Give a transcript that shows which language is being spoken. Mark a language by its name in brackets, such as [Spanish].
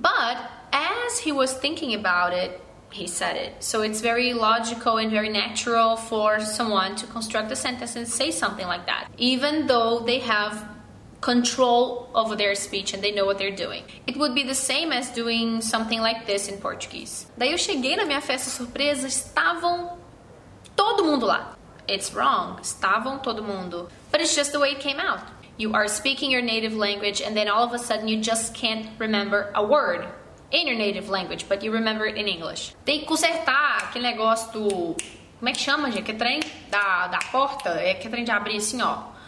[English] But as he was thinking about it, he said it. So it's very logical and very natural for someone to construct a sentence and say something like that, even though they have control over their speech and they know what they're doing. It would be the same as doing something like this in Portuguese. [Portuguese] Daí eu cheguei na minha festa surpresa, estavam todo mundo lá. [English] It's wrong. [Portuguese] Estavam todo mundo. [English] But it's just the way it came out. You are speaking your native language and then all of a sudden you just can't remember a word in your native language, but you remember it in English. [Portuguese] Tem que consertar aquele negócio do... Como é que chama, gente? Que é trem da porta? É que é trem de abrir assim, ó.